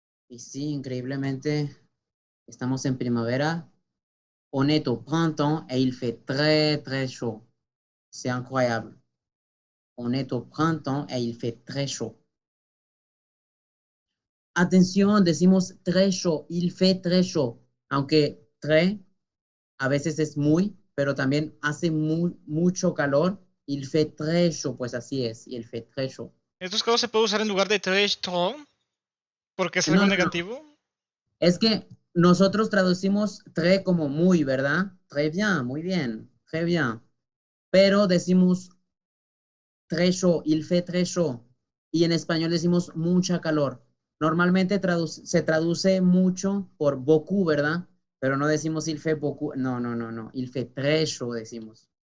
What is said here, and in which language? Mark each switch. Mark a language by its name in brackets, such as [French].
[Spanish] Y sí, increíblemente, estamos en primavera. [French] On est au printemps et il fait très, très chaud. C'est incroyable. On est au printemps et il fait très chaud. [Spanish] Atención, decimos [French] très chaud. Il fait très chaud. [Spanish] Aunque très. A veces es muy, pero también hace mucho calor. [French] Il fait très chaud, [Spanish] pues así es. [French] Il fait très chaud. [Spanish] ¿Estos casos se puede usar en lugar de trecho? ¿Porque es No, algo no, no. negativo? Es que nosotros traducimos très como muy, ¿verdad? [French] Très bien, [Spanish] muy bien, [French] très bien. [Spanish] Pero decimos [French] très chaud, il fait très chaud. [Spanish] Y en español decimos mucha calor. Normalmente se traduce mucho por beaucoup, ¿verdad? Pero no decimos [French] il fait beaucoup. [Spanish] No, no, no, no. [French] Il fait très chaud, [Spanish] decimos.